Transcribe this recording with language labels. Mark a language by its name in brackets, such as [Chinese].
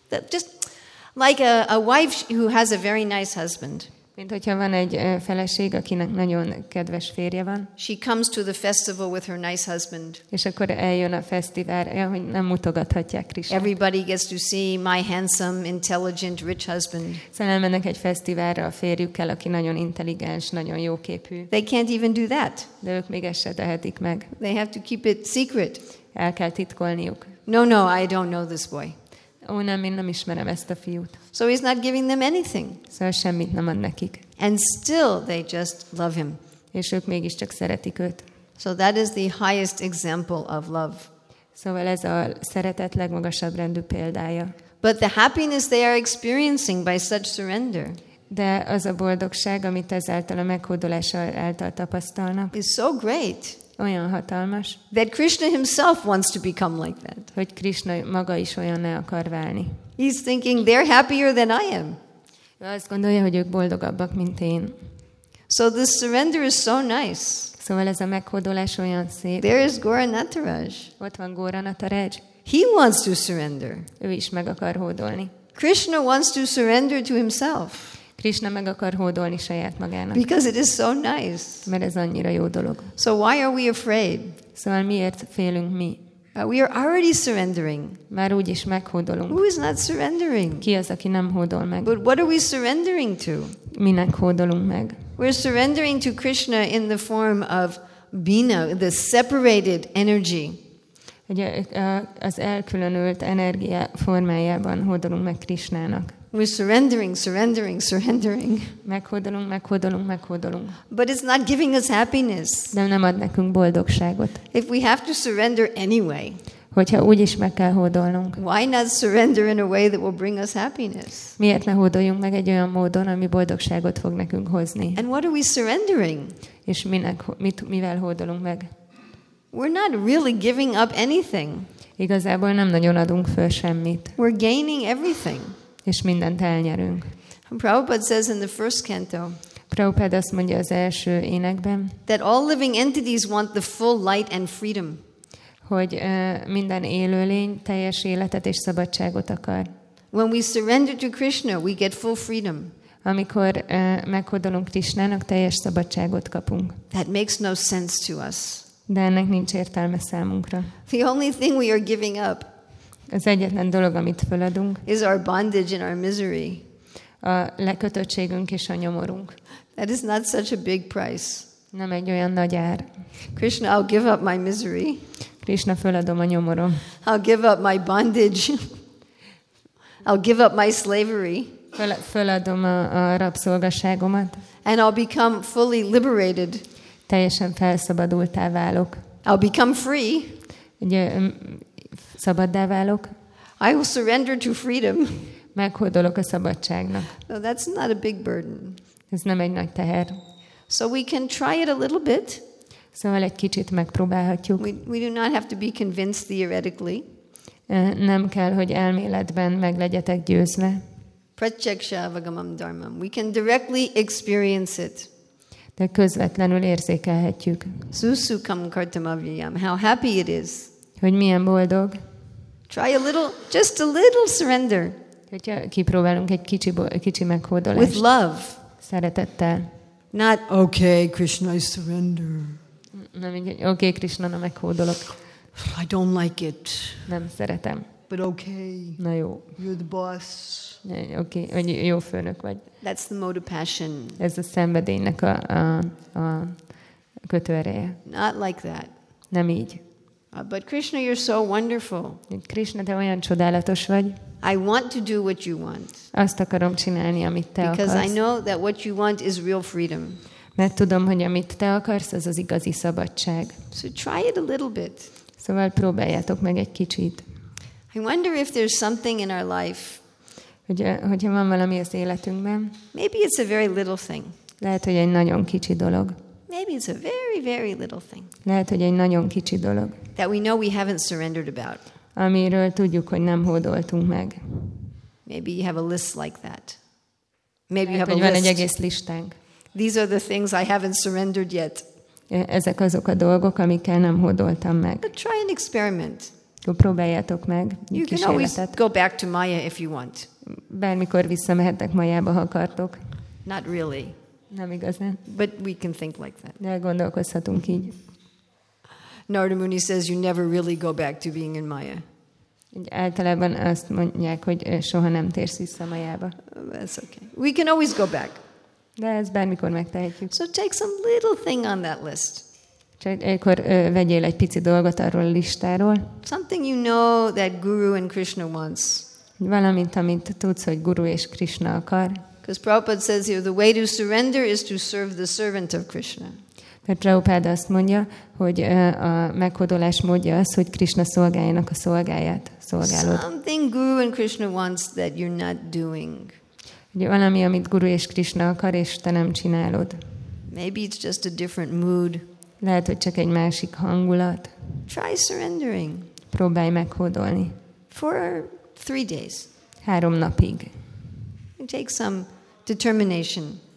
[English] Just like a wife who has a very nice husband. [Hungarian] Mint hogyha van egy feleség, akinek nagyon kedves férje van. [English] She comes to the festival with her nice husband. [Hungarian] És akkor eljön a fesztiválra, hogy nem mutogathatják Krisnát. [English] Everybody gets to see my handsome, intelligent, rich husband. [Hungarian] Szóval elmennek egy fesztiválra a férjükkel, aki nagyon intelligens, nagyon jóképű. [English] They can't even do that. [Hungarian] De ők még ezt se tehetik meg. [English] They have to keep it secret. [Hungarian] El kell titkolniuk. [English] No, I don't know this boy. [Hungarian] Ó, nem, én nem ismerem ezt a fiút. [English] So he's not giving them anything. [Hungarian] Szóval semmit nem ad nekik. [English] And still they just love him. [Hungarian] És ők mégiscsak szeretik őt. [English] So that is the highest example of love. [Hungarian] Szóval ez a szeretet legmagasabb rendű példája. [English] But the happiness they are experiencing by such surrender. [Hungarian] De az a boldogság, amit ezáltal a meghódolás által tapasztalnak. [English] Is so great. [Hungarian] Olyan hatalmas. [English] That Krishna himself wants to become like that. [Hungarian] Hogy Krishna maga is olyanná akar válni. [English] He's thinking they're happier than I am. [Hungarian] Ő azt gondolja, hogy ők boldogabbak, mint én. [English] So this surrender is so nice. [Hungarian] Szóval ez a meghódolás olyan szép. [English] There is Gaura Nataraj. [Hungarian] Ott van Gaura Nataraj. [English] He wants to surrender. [Hungarian] Ő is meg akar hódolni. [English] Krishna wants to surrender to himself. [Hungarian] Krishna meg akar hódolni saját magának. [English] Because it is so nice. [Hungarian] Mert ez annyira jó dolog. [English] So why are we afraid? [Hungarian] Szóval miért félünk mi? [English] We are already surrendering. [Hungarian] Már úgyis meghódolunk. [English] Who is not surrendering? [Hungarian] Ki az, aki nem hódol meg? [English] But what are we surrendering to? [Hungarian] Minek hódolunk meg? [English] We're surrendering to Krishna in the form of bina, the separated energy. [Hungarian] Ugye az elkülönült energia formájában hódolunk meg Krishnának. [English] We're surrendering. [Hungarian] Meghódolunk. [English] But it's not giving us happiness. [Hungarian] De nem ad nekünk boldogságot. [English] If we have to surrender anyway. [Hungarian] Hogyha úgyis meg kell hódolnunk. [English] Why not surrender in a way that will bring us happiness? [Hungarian] Miért ne hódoljunk meg egy olyan módon, ami boldogságot fog nekünk hozni? [English] And what are we surrendering? [Hungarian] És mivel hódolunk meg? [English] We're not really giving up anything. [Hungarian] Igazából nem nagyon adunk föl semmit. [English] We're gaining everything. [Hungarian] És mindent elnyerünk. [English] Prabhupada says in the first canto. [Hungarian] Prabhupada azt mondja az első énekben. [English] That all living entities want the full light and freedom. [Hungarian] Hogy minden élőlény teljes életet és szabadságot akar. [English] When we surrender to Krishna, we get full freedom. [Hungarian] Amikor meghódolunk Krishnának, teljes szabadságot kapunk. [English] That makes no sense to us. [Hungarian] De ennek nincs értelme számunkra. [English] The only thing we are giving up. [Hungarian] Az egyetlen dolog, amit feladunk. [English] Is our bondage and our misery. [Hungarian] A lekötöttségünk és a nyomorunk. [English] That is not such a big price. [Hungarian] Nem egy olyan nagy ár. [English] Krishna, I'll give up my misery. [Hungarian] Krishna, föladom a nyomorom. [English] I'll give up my bondage. I'll give up my slavery. [Hungarian] Föladom a rabszolgaságomat. [English] And I'll become fully liberated. [Hungarian] Teljesen felszabadulttá válok. [English] I'll become free. [Hungarian] Ugye, szabaddá válok. [English] I will surrender to freedom. [Hungarian] Meghódolok a szabadságnak. [English] No, that's not a big burden. [Hungarian] Ez nem egy nagy teher. [English] So we can try it a little bit. [Hungarian] Szóval egy kicsit megpróbálhatjuk. [English] We do not have to be convinced theoretically. [Hungarian] Nem kell, hogy elméletben meg legyetek győzve. [Sanskrit] Pratyeksha avagamam dharmam. [English] We can directly experience it. [Hungarian] De közvetlenül érzékelhetjük. [Sanskrit] Susukam kartam avyayam. [English] How happy it is. [Hungarian] Hogy milyen boldog. [English] Try a little, just a little surrender. [Hungarian] Hogyha kipróbálunk egy kicsi meghódolást. [English] With love. [Hungarian] Szeretettel. [English] Not, okay, Krishna, I surrender. [Hungarian] Nem, igen, okay, Krishna, na meghódolok. [English] I don't like it. [Hungarian] Nem szeretem. [English] But okay. [Hungarian] Na jó. [English] You're the boss. [Hungarian] Okay, jó főnök vagy. [English] That's the mode of passion. [Hungarian] Ez a szenvedélynek a kötőereje. [English] Not like that. [Hungarian] Nem így. [English] But Krishna, you're so wonderful. [Hungarian] Krishna, te olyan csodálatos vagy. [English] I want to do what you want. [Hungarian] Azt akarom csinálni, amit te [English] because [Hungarian] akarsz. [English] Because I know that what you want is real freedom. [Hungarian] Mert tudom, hogy amit te akarsz, az az igazi szabadság. [English] So try it a little bit. [Hungarian] Szóval próbáljátok meg egy kicsit. [English] I wonder if there's something in our life. [Hungarian] Hogyha van valami az életünkben. [English] Maybe it's a very little thing. [Hungarian] Lehet, hogy egy nagyon kicsi dolog. [English] Maybe it's a very, very little thing. [Hungarian] Lehet, hogy egy nagyon kicsi dolog. [English] That we know we haven't surrendered about. [Hungarian] Amiről tudjuk, hogy nem hódoltunk meg. [English] Maybe you have a list like that. Maybe you have a list. [Hungarian] Van egy egész listánk. [English] These are the things I haven't surrendered yet. [Hungarian] Ezek azok a dolgok, amikkel nem hódoltam meg. [English] But try an experiment. [Hungarian] Próbáljátok meg. [English] You can always go back to Maya if you want. [Hungarian] Bármikor visszamehetek Mayába, ha akartok. [English] Not really. [Hungarian] Nem igazán. [English] But we can think like that. [Hungarian] De gondolkozhatunk így. [English] Narada Muni says you never really go back to being in Maya. [Hungarian] Általában azt mondják, hogy soha nem térsz vissza Mayába. [English] That's okay. We can always go back. [Hungarian] De ezt bármikor megtehetjük. [English] So take some little thing on that list. [Hungarian] Csak akkor vegyél egy pici dolgot arról a listáról. [English] Something you know that Guru and Krishna wants. [Hungarian] Valamint, amit tudsz, hogy Guru és Krishna akar. [English] Because Prabhupada says here, the way to surrender is to serve the servant of Krishna. [Hungarian] Mert Prabhupada azt mondja, hogy a meghódolás módja az, hogy Krishna szolgáljának a szolgáját, szolgálod. [English] Something Guru and Krishna wants that you're not doing. [Hungarian] Valami, amit Guru és Krishna akar, és te nem csinálod. [English] Maybe it's just a different mood. [Hungarian] Lehet, hogy csak egy másik hangulat. [English] Try surrendering. [Hungarian] Próbálj meghódolni. [English] For 3 days. [Hungarian] 3 napig. [English] And take some determination.